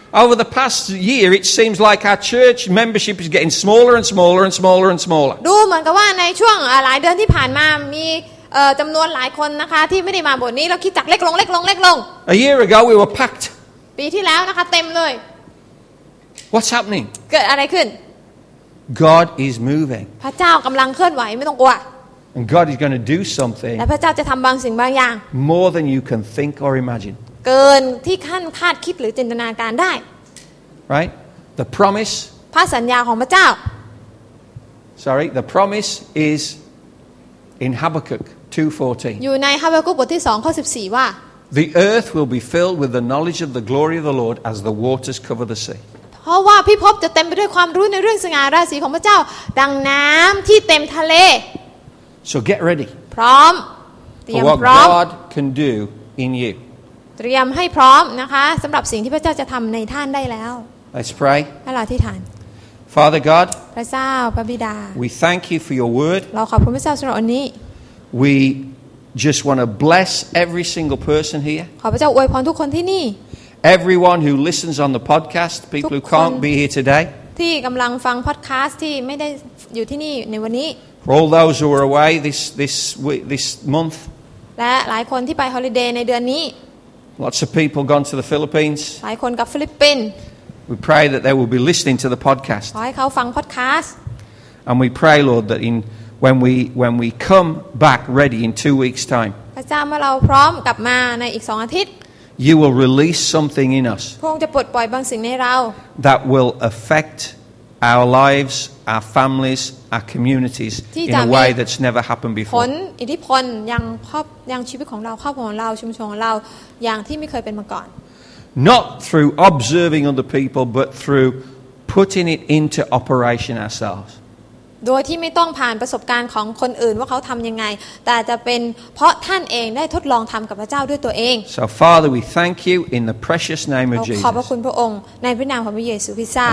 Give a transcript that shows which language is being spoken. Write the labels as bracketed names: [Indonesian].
[English] Over the past year it seems like our church membership is getting smaller and smaller and smaller and smaller [Thai] ดูเหมือนกับว่าในช่วงหลายเดือนที่ผ่านมามีจำนวนหลายคนนะคะที่ไม่ได้มาโบสถ์นี้เราคิดจักเล็กลงเล็กลงเล็กลง [English] A year ago we were packed [Thai] ปีที่แล้วนะคะเต็มเลย [English] What's happening [Thai] เกิดอะไรขึ้น [English] God is moving [Thai] พระเจ้ากำลังเคลื่อนไหวไม่ต้องกลัว [English] And God is going to do something. [Thai] และพระเจ้าจะทำบางสิ่งบางอย่าง [English] More than you can think or imagine. [Thai] เกินที่ท่านคาดคิดหรือจินตนาการได้ [English] Right? The promise. [Thai] พระสัญญาของพระเจ้า [English] Sorry, the promise is in Habakkuk 2:14. [Thai] อยู่ใน Habakkuk บทที่2ข้อ14ว่า [English] The earth will be filled with the knowledge of the glory of the Lord as the waters cover the sea. [Thai] เพราะว่าพิภพจะเต็มไปด้วยความรู้ในเรื่องสง่าราศีของพระเจ้าดังน้ำที่เต็มทะเล [English] So get ready [Thai] พร้อม [English] for what God can do in you. [Thai] เตรียมให้พร้อมนะคะสำหรับสิ่งที่พระเจ้าจะทำในท่านได้แล้ว [English] Let's pray. [Thai] ให้เราอธิษฐาน [English] Father God. [Thai] พระเจ้าพระบิดา [English] We thank you for your word. [Thai] เราขอบคุณพระเจ้าสำหรับวันนี้ [English] We just want to bless every single person here. [Thai] ขอพระเจ้าอวยพรทุกคนที่นี่ [English] Everyone who listens on the podcast, people who can't be here today. [Thai] ที่กำลังฟังพอดคาสต์ที่ไม่ได้อยู่ที่นี่ในวันนี้ [English] For all those who are away this month. [Thai] และหลายคนที่ไปฮอลิเดย์ในเดือนนี้ [English] Lots of people gone to the Philippines. [Thai] หลายคนกับฟิลิปปินส์ [English] We pray that they will be listening to the podcast. [Thai] ขอให้เขาฟังพอดคาสต์ [English] And we pray, Lord, that in when we come back ready in 2 weeks' time. [Thai] พระเจ้าเมื่อเราพร้อมกลับมาในอีก2อาทิตย์ [English] You will release something in us. [Thai] พระองค์จะปลดปล่อยบางสิ่งในเรา [English] That will affect our lives, our families, our communities in a way that's never happened before. [Thai] ผลอิทธิพลยังครอบยังชีวิตของเราครอบครัวของเราชุมชนของเราอย่างที่ไม่เคยเป็นมาก่อน [English] Not through observing other people but through putting it into operation ourselves [Thai] โดยที่ไม่ต้องผ่านประสบการณ์ของคนอื่นว่าเขาทำยังไงแต่จะเป็นเพราะท่านเองได้ทดลองทำกับพระเจ้าด้วยตัวเอง [English] So Father we thank you in the precious name of Jesus [Thai] ขอบพระคุณพระองค์ในพระนามของพระเยซูคริสต์